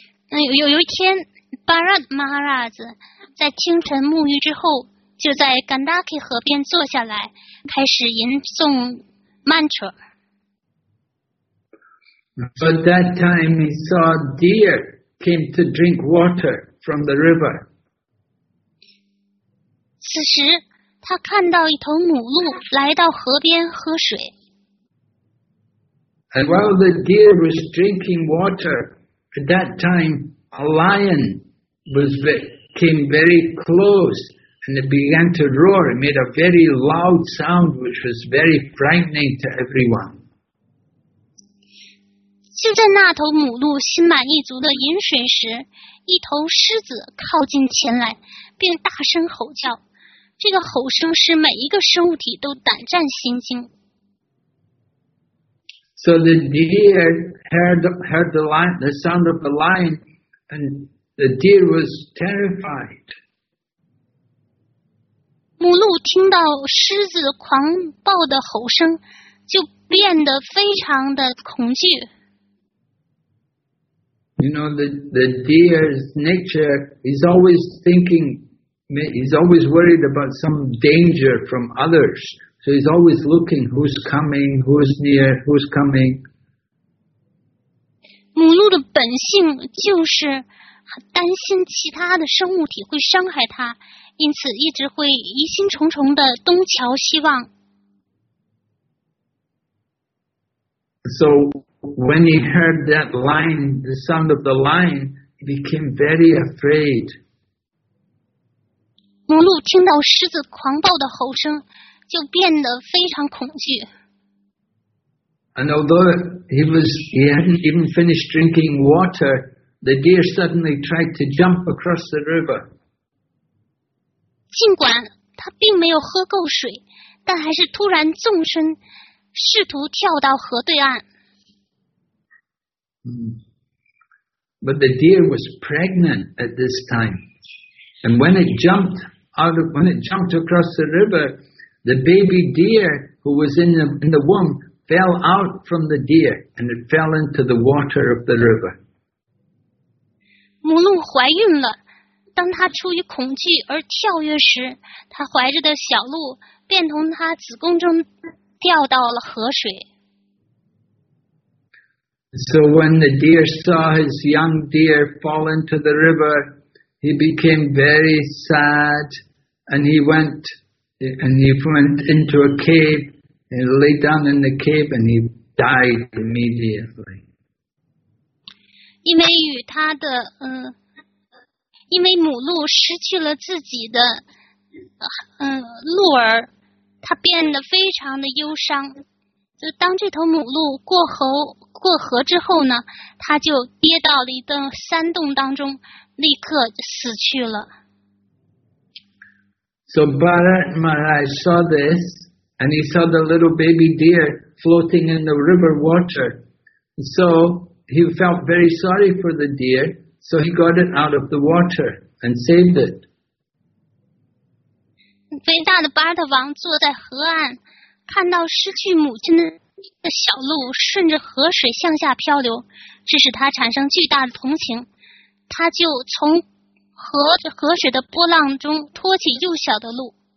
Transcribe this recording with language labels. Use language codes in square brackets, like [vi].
[zh] 有一天 Bharat Maharaj 在清晨沐浴之后就在 Gandaki 河边坐下来，开始吟诵 mantra。 [en] But that time he saw deer came to drink water from the river. [zh] 此时他看到一头母鹿来到河边喝水。 [en] And while the deer was drinking water, at that time a lion came very close. And it began to roar. It made a very loud sound, which was very frightening to everyone. [zh] 就在那头母鹿心满意足的饮水时，一头狮子靠近前来，并大声吼叫。这个吼声使每一个生物体都胆战心惊。 [en] So the deer heard the lion, the sound of the lion, and the deer was terrified. [zh] 母鹿听到狮子狂暴的吼声，就变得非常的恐惧。 [en] You know, the deer's nature is always thinking, he's always worried about some danger from others. So he's always looking who's coming, who's near, who's coming. [zh] 母鹿的本性就是担心其他的生物体会伤害它，因此一直会疑心重重的东瞧西望。 [en] So when he heard that lion, the sound of the lion, he became very afraid. [zh] 母鹿听到狮子狂暴的吼声，就变得非常恐惧。 [en] And although he hadn't even finished drinking water, the deer suddenly tried to jump across the river. [zh] 尽管他并没有喝够水，但还是突然纵身，试图跳到河对岸。 [en] But the deer was pregnant at this time, and when it jumped across the river, the baby deer who was in the womb fell out from the deer, and it fell into the water of the river. [zh] 母鹿怀孕了，当她出于恐惧而跳跃时，她怀着的小鹿便从她子宫中掉到了河水。 [en] So when the deer saw his young deer fall into the river, he became very sad, and he went into a cave and lay down in the cave, and he died immediately. [zh] 因为与他的因为母鹿失去了自己的鹿儿，他变得非常的忧伤。就当这头母鹿过河之后呢，他就跌到了一个山洞当中，立刻死去了。 [en] So Bharat Maharaj saw this, and he saw the little baby deer floating in the river water. So he felt very sorry for the deer, so he got it out of the water and saved it. [zh] 伟大的巴特王坐在河岸，看到失去母亲的小鹿顺着河水向下漂流，致使他产生巨大的同情，他就从 河水的波浪中托起幼小的鹿。